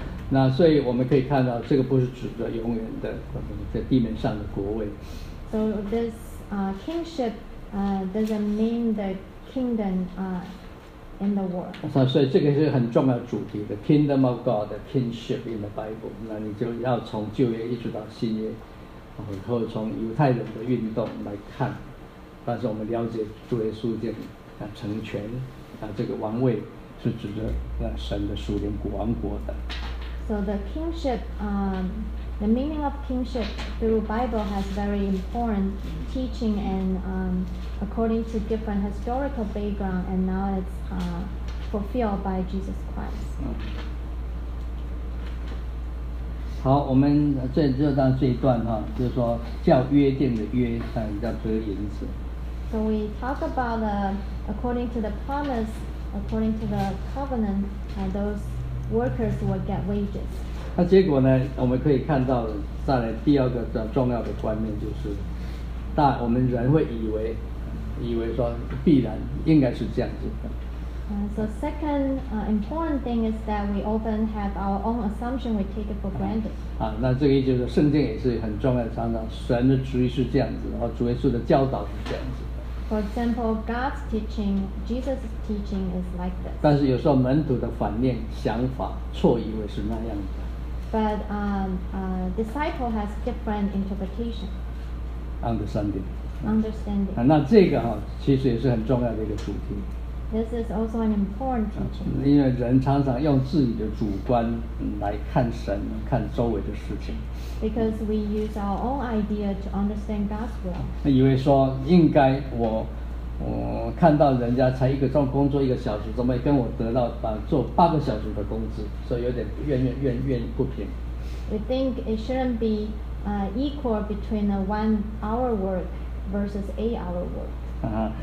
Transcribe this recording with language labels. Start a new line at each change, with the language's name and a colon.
Chinese: 那所以我们可以看到这个不是指的永远的在地面上的国位。
English: So this kingship doesn't mean the kingdom in the world.
Chinese: 所以这个是很重要主题的
English: kingdom of God, the kingship in the Bible.
Chinese: 那你就要从旧约一直到新约，然后从犹太人的运动来看，但是我们了解主耶稣这样成全这个王位是指着神的属灵王国的。
English: So the kingship, the meaning of kingship through Bible has very important teaching, and according to different historical background, and now it's fulfilled by Jesus Christ.
Chinese: 好，我们这段这一段哈，就是说叫约定的约，但叫做银子。
English: So we talk about according to the promise. According to the covenant, those workers will get wages.
Chinese: 那结果呢？我们可以看到，再来第二个重要的观念就是，我们人会以为说必然应该是这样子的。
English: So second important thing is that we often have our own assumption, we take it for granted.
Chinese: 那这个就是圣经也是很重要的，常常神的旨意是这样子，然后主耶稣的教导是这样子。
English: For example, God's teaching, Jesus' teaching is like this.
Chinese: 但是有时候门徒的反应、想法错以为是那样的。
English: But disciple has different interpretation. Understanding. Understanding.
Chinese: 那这个哈，其实也是很重要的一个主题。
English: This is also an important teaching.
Chinese: 因为人常常用自己的主观来看神、看周围的事情。
English: Because we use our own idea to understand God's will.
Chinese: 以为说应该我看到人家才一个钟工作一个小时，怎么跟我得到做八个小时的工资，所以有点怨不平。
English: We think it shouldn't be equal between a 1 hour work versus 8 hour work.